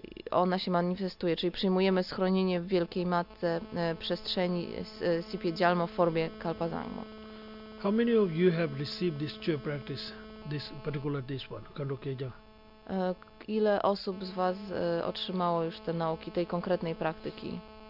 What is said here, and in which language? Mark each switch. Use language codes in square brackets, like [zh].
[pl] Ona się manifestuje, czyli przyjmujemy schronienie w wielkiej matce przestrzeni Sipy Dzialmo w formie Kalpa Dzangmo. [en] How many of you have received this chö practice? This particular this one, Khandu Kejang. [pl] Ile osób z was otrzymało już te nauki tej konkretnej praktyki?